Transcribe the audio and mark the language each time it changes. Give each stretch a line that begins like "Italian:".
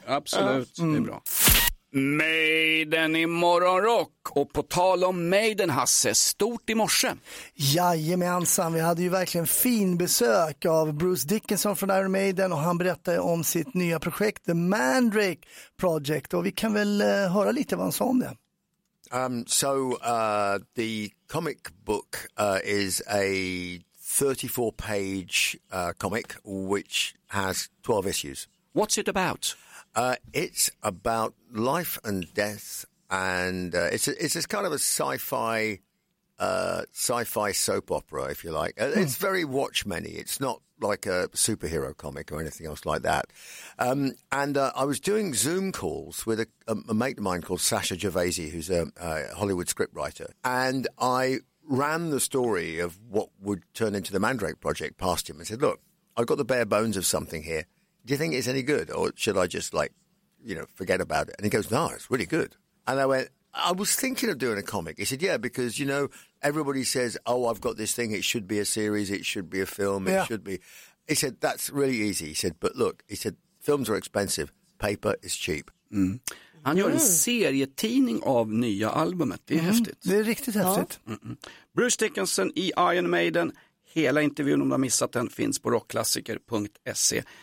Swedish: Absolut, det är bra. Maiden i morgonrock. Och på tal om Maiden, Hasse, stort i morse. Jajamensan, vi hade ju verkligen fin besök av Bruce Dickinson från Iron Maiden, och han berättade om sitt nya projekt The Mandrake Project, och vi kan väl höra lite vad han sa om det.
English: The comic book is a 34-page comic which has 12 issues. What's it about? It's about life and death, and it's kind of a sci-fi soap opera, if you like. It's very Watchmen-y. It's not like a superhero comic or anything else like that. I was doing Zoom calls with a mate of mine called Sasha Gervaisi, who's a Hollywood scriptwriter, and I ran the story of what would turn into the Mandrake Project past him and said, look, I've got the bare bones of something here. do you think it's any good? Or should I just, like, you know, forget about it? And he goes, no, it's really good. And I went, I was thinking of doing a comic. He said, yeah, because, you know, everybody says, oh, I've got this thing. It should be a series. It should be a film. It should be. He said, that's really easy. He said, but look, he said, films are expensive. Paper is cheap. Mm.
Swedish: Han gör en serietidning av nya albumet. Det är häftigt. Det är riktigt häftigt. Ja. Bruce Dickinson i Iron Maiden. Hela intervjun, om du har missat den, finns på rockklassiker.se.